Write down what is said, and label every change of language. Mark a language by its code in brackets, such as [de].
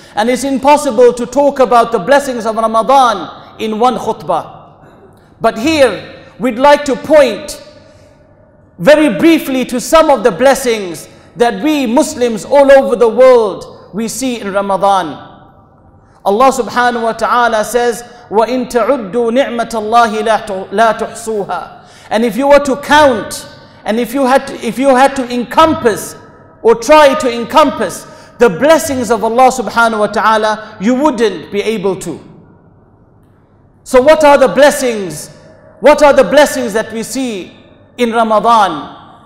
[en] And it's impossible to talk about the blessings of Ramadan in one khutbah. But here, we'd like to point very briefly to some of the blessings that we Muslims all over the world we see in Ramadan. Allah subhanahu wa ta'ala says, [ar] وَإِن تَعُدُّوا نِعْمَةَ اللَّهِ لَا تُحْصُوهَا. [en] And if you were to count, and if you had to encompass or try to encompass the blessings of Allah subhanahu wa ta'ala, you wouldn't be able to. So what are the blessings? What are the blessings that we see in Ramadan?